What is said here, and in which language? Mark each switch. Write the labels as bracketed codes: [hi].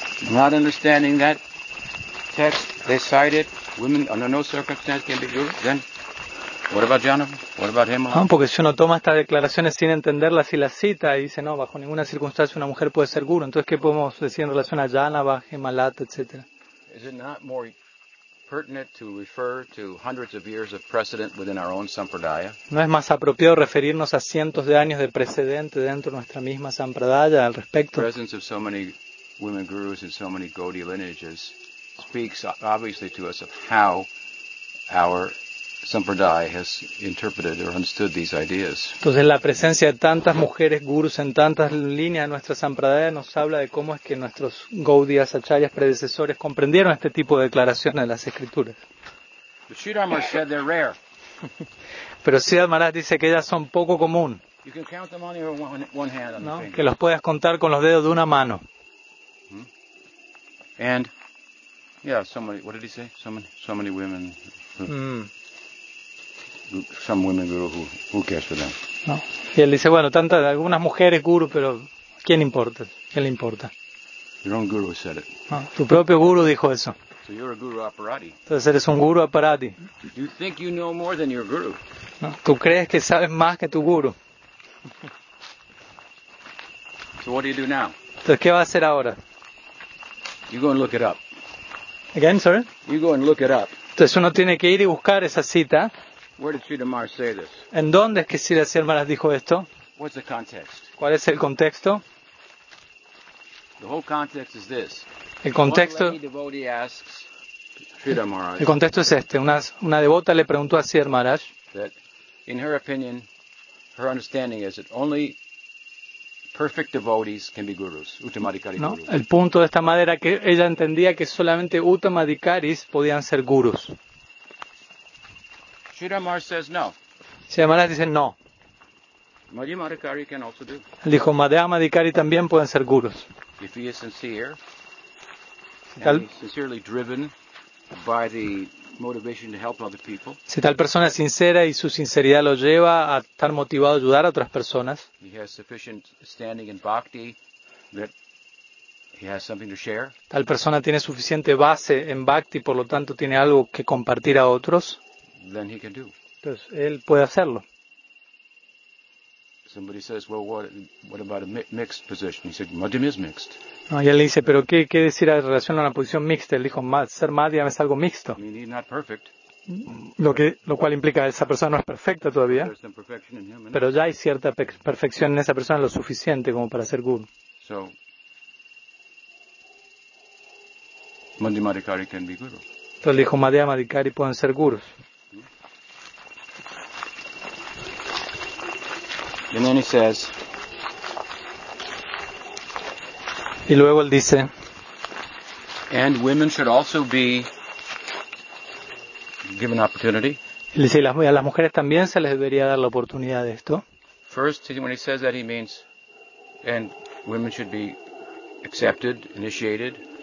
[en] Not understanding that text, they cite it, women under no circumstance can be guru, then what about Janava? What about him? [es] No, porque si uno toma estas declaraciones sin entenderlas y las cita y dice, no, bajo ninguna circunstancia una mujer puede ser guru, entonces, ¿qué podemos decir en relación a Janava, Hemalata, etcétera? [en] Is it not more pertinent to refer to hundreds of years of precedent within our own Sampradaya? [es] ¿No es más apropiado referirnos a cientos de años de precedente dentro de nuestra misma Sampradaya al respecto? [en] Presence of so many women gurus in so many Gaudiya lineages speaks obviously to us of how our Sampradaya has interpreted or understood these ideas. [es] Entonces la presencia de tantas mujeres gurus en tantas líneas de nuestra Sampradaya nos habla de cómo es que nuestros Gaudiyas, Acharyas, predecesores comprendieron este tipo de declaraciones de las escrituras. [en] But Sridharma said they're rare. [es] Pero Sridhar Maharaj dice que ellas son poco común. [en] You can count them on your one hand on [es] ¿no? [en] the finger. [es] Que los puedas contar con los dedos de una mano. [en] And yeah, so many. What did he say? So many women. Some women guru. Who cares for them? [es] No. Y él dice, bueno, tantas algunas mujeres guru, pero ¿quién importa? ¿Qué le importa? [en] Your own guru said it. [es] No, tu propio guru dijo eso. [en] So you're a guru aparati. [es] Entonces eres un guru aparati. [en] Do you think you know more than your guru? [es] No. ¿Tú crees que sabes más que tu guru? [en] So what do you do now? [es] Entonces, ¿qué va a hacer ahora? [en] You go and look it up. Again, sorry? You go and look it up. [es] Entonces uno tiene que ir y buscar esa cita. [en] Where did Sridhar Maharaj say this? [es] ¿En dónde es que Sridhar Maharaj dijo esto? [en] What's the context? [es] ¿Cuál es el contexto? [en] The whole context is this. [es] El contexto. [en] One lady devotee asks Sridhar Maharaj. [es] El contexto es este. Una devota le preguntó a Sridhar Maharaj. [en] That, in her opinion, her understanding is that only perfect devotees can be gurus, uttamadhikari [es] no, [en] gurus. [es] El punto de esta madre era que ella entendía que solamente uttamadhikaris podían ser gurus. [en] Sridhar Maharaj says no. [es] Sridhar Maharaj dice no. [en] Madhyamadhikari can also do. [es] Él dijo, madhyamadhikari también pueden ser gurus. [en] If he is sincere, and he's sincerely driven by the motivation to help other people. [es] Si tal persona es sincera y su sinceridad lo lleva a estar motivado a ayudar a otras personas. [en] He has sufficient standing in bhakti that he has something to share. [es] Tal persona tiene suficiente base en bhakti, por lo tanto tiene algo que compartir a otros. [en] Then he can do. [es] Entonces él puede hacerlo. [en] Somebody says, "Well, what about a mixed position?" He said, "Madhyam is mixed." [es] No, y él dice, pero ¿qué decir en relación a una posición mixta? Él dijo, ser madhyam es algo mixto. [en] I mean, he's not perfect, [es] lo cual implica que esa persona no es perfecta todavía, pero ya hay cierta perfección en esa persona lo suficiente como para ser guru. [en] So, madhyamadhikari can be guru. [es] Entonces dijo, madhyamadhikari pueden ser gurus. [en] And then he says, [es] y luego él dice, [en] and women should also be given opportunity. [es] Él dice, a las mujeres también se les debería dar la oportunidad de esto. [en] First, when he says that, he means, and women should be accepted, initiated.